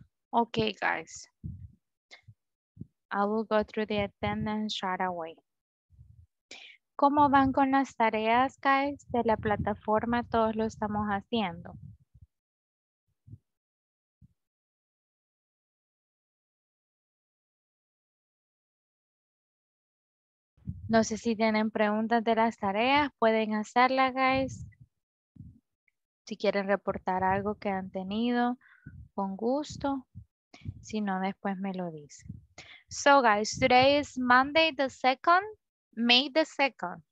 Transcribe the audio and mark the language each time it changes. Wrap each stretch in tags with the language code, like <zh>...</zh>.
<en>Okay, guys, I will go through the attendance right away.</en> <es>¿Cómo van con las tareas, guys, de la plataforma? Todos lo estamos haciendo. No sé si tienen preguntas de las tareas, pueden hacerlas, guys. Si quieren reportar algo que han tenido, con gusto. Si no, después me lo dice.</es> <en>So guys, today is Monday the 2nd, May the 2nd.</en>